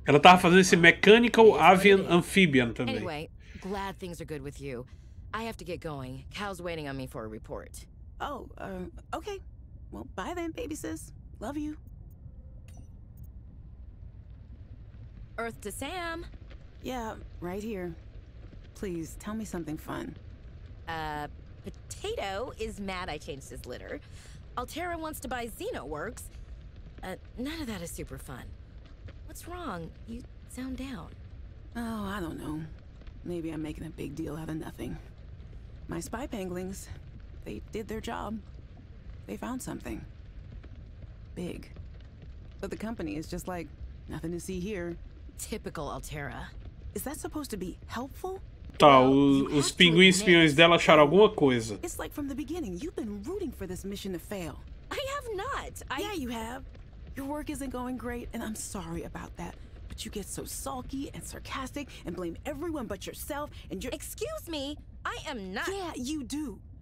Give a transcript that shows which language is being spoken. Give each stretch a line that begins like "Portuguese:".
Portuguese: Ela tava fazendo esse Mechanical Avian Amphibian também.
English: Anyway, glad things are good with you. I have to get going. Cal's waiting on me for a report. Oh, okay. Well, bye then, baby sis. Love you. Earth to Sam. Yeah, right here. Please, tell me something fun. Potato is mad I changed his litter. Altera wants to buy Xenoworks. None of that is super fun. What's wrong? You sound down. Oh, I don't know. Maybe I'm making a big deal out of nothing. My spy panglings, they did their job. They found something. Big. But the company is just like, nothing to see here. Typical Altera. Is that supposed to be helpful?
Portuguese: Tá, os pinguins espiões dela acharam alguma coisa.
English: It's like from the beginning, you've been rooting for this mission to fail. I have not. Yeah, you have. Your work isn't going great, and I'm sorry about that. But you get so sulky and sarcastic and blame everyone but yourself and your... Excuse me? I am not... Yeah, you do.